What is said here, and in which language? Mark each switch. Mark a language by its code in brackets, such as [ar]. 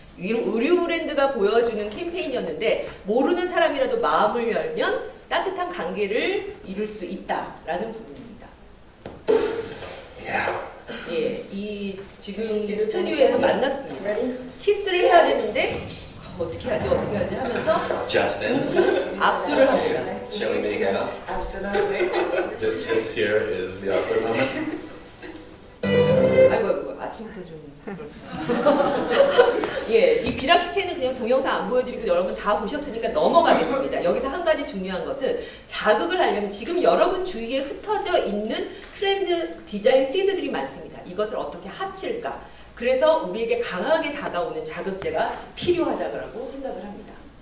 [ko] 의류 브랜드가 보여주는 캠페인이었는데 모르는 사람이라도 마음을 열면 따뜻한 관계를 이룰 수 있다라는 부분입니다. [en] Yeah. [ko] 예, 이 지금 스튜디오에서 만났습니다. [en] Ready? [ko] 키스를 해야 되는데 어떻게 하지 하면서 [en] Justin. [ko] 악수를 합니다. [en] Shall we make out? Absolutely. This here is the awkward moment. [ko] 아이고, 아침부터 좀 그렇죠. 예, 이 비락시케는 그냥 동영상 안 보여드리고 여러분 다 보셨으니까 넘어가겠습니다. 여기서 한 가지 중요한 것은 자극을 하려면 지금 여러분 주위에 흩어져 있는 트렌드 디자인 시드들이 많습니다. 이것을 어떻게 합칠까? 그래서 우리에게 강하게 다가오는 자극제가 필요하다고 생각을 합니다.